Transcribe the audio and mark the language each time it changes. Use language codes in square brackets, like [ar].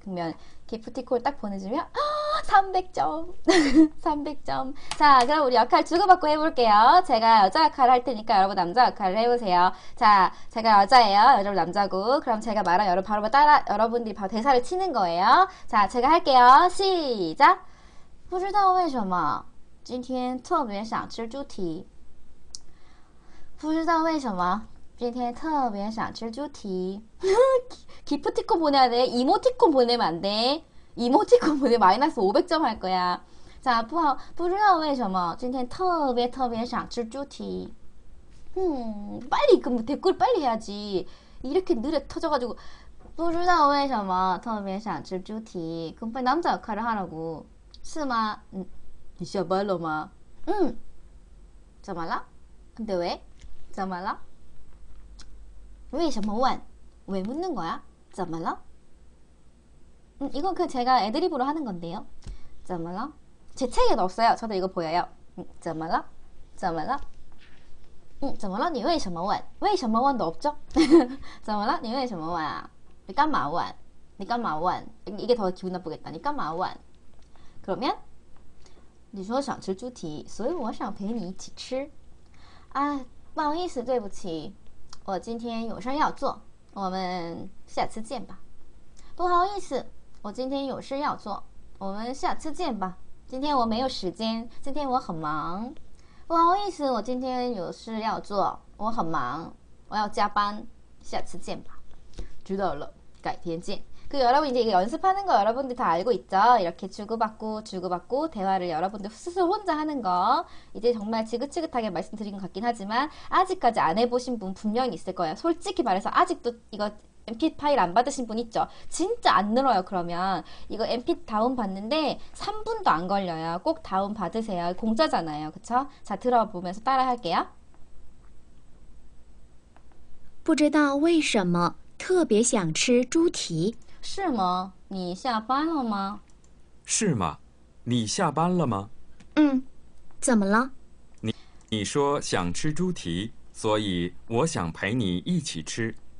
[ko] 그러면 기프티콘 딱 보내주면 300점. 300점. 자, 그럼 우리 역할 주고받고 해볼게요. 제가 여자 역할을 할 테니까 여러분 남자 역할을 해보세요. 자, 제가 여자예요. 여러분 남자고. 그럼 제가 말하면 여러분 바로 따라, 여러분들이 바로 대사를 치는 거예요. 자, 제가 할게요. 시작. [zh] 不知道为什么今天特别想吃猪蹄。不知道为什么今天特别想吃猪蹄。 [ko] 기프티콘 보내야 돼? 이모티콘 보내면 안 돼? 이모티콘 보내 마이너스 500점 할 거야. [zh] 자, 不知道为什么今天特别特别想吃猪蹄。 [ko] 빨리 그 댓글 빨리 해야지. 이렇게 느려 터져가지고 [zh] 不知道为什么特别想吃猪蹄。 [ko] 그럼 빨리 남자 역할을 하라고. [zh] 是吗?你下班了吗？怎么了？ [ko] 근데왜？ [zh] 怎么了？为什么问？ [ko] 왜묻는거야？ [zh] 怎么了？ [ko] 이건 그 제가 애드립으로 하는 건데요. [zh] 怎么了？ [ko] 제 책에 넣었어요. 저도 이거 보여요. [zh] 怎么了？怎么了？怎么了？你为什么问？为什么问都없죠？ 怎么了？你为什么问啊？你干嘛问？你干嘛问？ [ko] 이게더 기분 나쁘겠다. 你干嘛问？ [zh] 그러면你说想吃猪蹄，所以我想陪你一起吃。啊，不好意思，对不起，我今天有事要做。我们下次见吧。不好意思，我今天有事要做，我们下次见吧。今天我没有时间，今天我很忙。不好意思，我今天有事要做，我很忙，我要加班，下次见吧。知道了，改天见。 [ko] 그 여러분 이제 연습하는 거 여러분들 다 알고 있죠? 이렇게 주고받고 대화를 여러분들 스스로 혼자 하는 거. 이제 정말 지긋지긋하게 말씀드린 것 같긴 하지만 아직까지 안 해보신 분 분명히 있을 거예요. 솔직히 말해서 아직도 이거 MP 파일 안 받으신 분 있죠? 진짜 안 늘어요. 그러면 이거 MP 다운 받는데 3분도 안 걸려요. 꼭 다운 받으세요. 공짜잖아요, 그쵸? 자, 들어보면서 따라할게요. [zh] 不知道为什么特别想吃猪蹄。是吗？你下班了吗？是吗？你下班了吗？嗯，怎么了？你说想吃猪蹄，所以我想陪你一起吃。